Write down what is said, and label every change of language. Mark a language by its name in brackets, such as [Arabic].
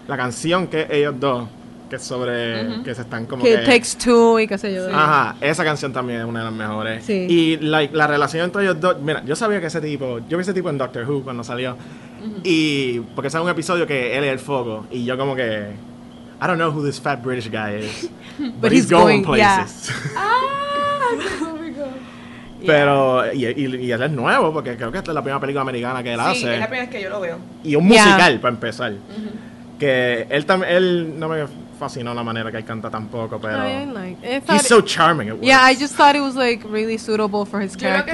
[Spanish] La canción que ellos dos... Que es sobre... Uh-huh. Que se están como que... It Takes Two y qué sé yo. Sí. Ajá. Esa canción también es una de las mejores. Sí. Y la relación entre ellos dos... Mira, yo sabía que ese tipo... Yo vi ese tipo en Doctor Who cuando salió. Uh-huh. Y... Porque sale un episodio que él es el foco. Y yo como que... [English] I don't know who this fat British guy is. but he's going places. Yeah. Ah! Oh my God. [Spanish] Pero, y él es nuevo, porque creo que esta es la primera película americana que él hace. Sí, es la primera vez que yo lo veo. Y un musical, para empezar. Que él no me fascinó la manera que él canta tampoco, pero... [English] he's so charming. It works. Yeah, I just thought it was, like, really suitable for his character.